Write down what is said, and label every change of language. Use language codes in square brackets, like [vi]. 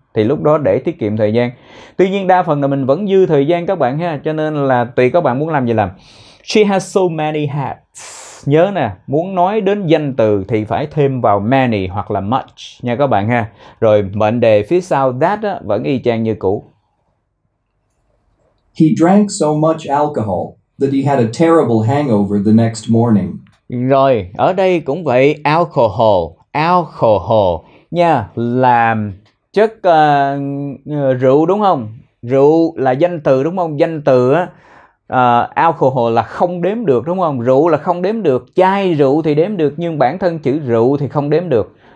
[vi] thì lúc đó để tiết kiệm thời gian. Tuy nhiên đa phần là mình vẫn dư thời gian các bạn ha, cho nên là tùy các bạn muốn làm gì làm. [en] She has so many hats. [vi] Nhớ nè, muốn nói đến danh từ thì phải thêm vào many hoặc là much nha các bạn ha. Rồi mệnh đề phía sau that á, vẫn y chang như cũ. [en] He drank so much alcohol that he had a terrible hangover the next morning. [vi] Rồi, ở đây cũng vậy, alcohol, alcohol nha, làm chất rượu đúng không? Rượu là danh từ đúng không? Danh từ á, alcohol là không đếm được đúng không? Rượu là không đếm được, chai rượu thì đếm được, nhưng bản thân chữ rượu thì không đếm được.